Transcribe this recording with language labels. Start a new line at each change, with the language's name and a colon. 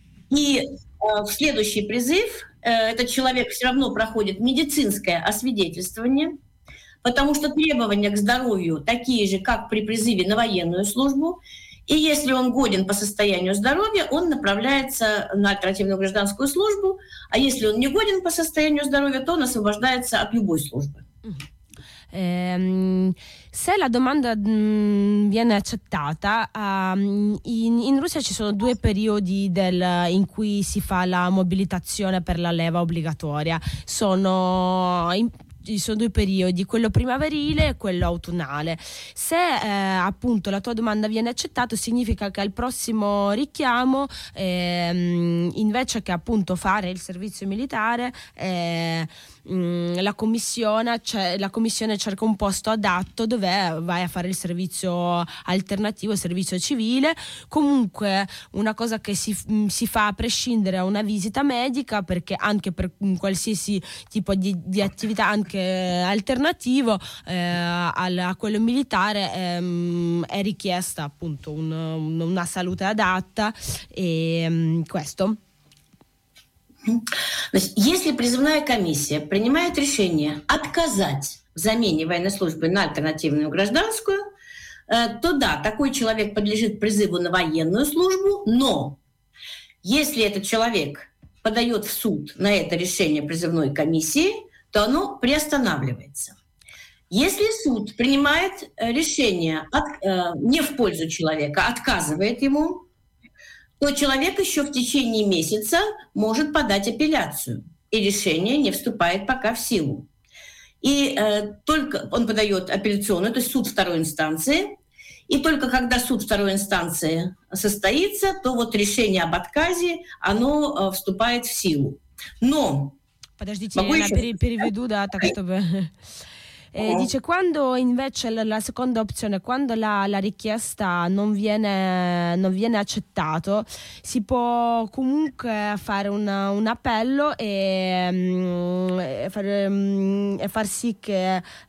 Russian: И в следующий призыв этот человек все равно проходит медицинское освидетельствование, потому что требования к здоровью такие же, как при призыве на военную службу. И если он годен по состоянию здоровья, он направляется на альтернативную гражданскую службу, а если он не годен по состоянию здоровья, то он освобождается от любой службы.
Italian: Se la domanda viene accettata, in Russia ci sono due periodi in cui si fa la mobilitazione per la leva obbligatoria. Ci sono due periodi, quello primaverile e quello autunnale. Se appunto la tua domanda viene accettata, significa che al prossimo richiamo, invece che appunto fare il servizio militare, la commissione cerca un posto adatto dove vai a fare il servizio alternativo, servizio civile. Comunque una cosa che si fa a prescindere da una visita medica, perché anche per qualsiasi tipo di attività, anche alternativo a quello militare, è richiesta appunto una salute adatta, e questo.
Russian: Если призывная комиссия принимает решение отказать в замене военной службы на альтернативную гражданскую, то да, такой человек подлежит призыву на военную службу, но если этот человек подает в суд на это решение призывной комиссии, то оно приостанавливается. Если суд принимает решение не в пользу человека, отказывает ему, то человек еще в течение месяца может подать апелляцию, и решение не вступает пока в силу. И только он подает апелляционную, то есть суд второй инстанции, и только когда суд второй инстанции состоится, то вот решение об отказе, оно вступает в силу. Но... Подождите, я переведу, да, так чтобы...
Italian: Dice, quando invece la seconda opzione, quando la richiesta non viene accettato, si può comunque fare un appello e far sì che